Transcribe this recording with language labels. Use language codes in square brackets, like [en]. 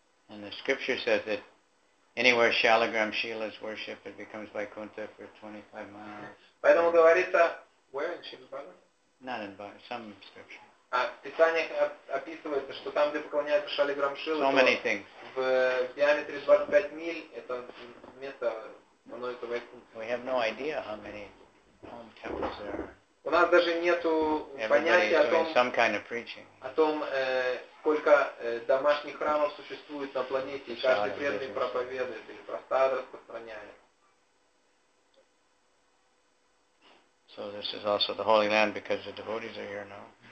[en] And the scripture says that anywhere Shalagram Shila is worshipped, it becomes Vaikuntha for 25 miles. [ru] Поэтому говорится, [en] where in Shiva Bhagavatam? Not in Bhagavatam, some scripture. [ru] А в Писаниях описывается, что там, где поклоняется Шалиграм Шила, [en] so many things. [ru] В диаметре 25 миль, это место становится Вайкунтхой. [en] We have no idea how many home temples there are. [ru] У нас даже нету понятия о том, [en] some kind of preaching. [ru] О том, сколько домашних храмов существует на планете, и каждый преданный проповедует или простад распространяет. [en] So this is also the Holy Land because the devotees are here now.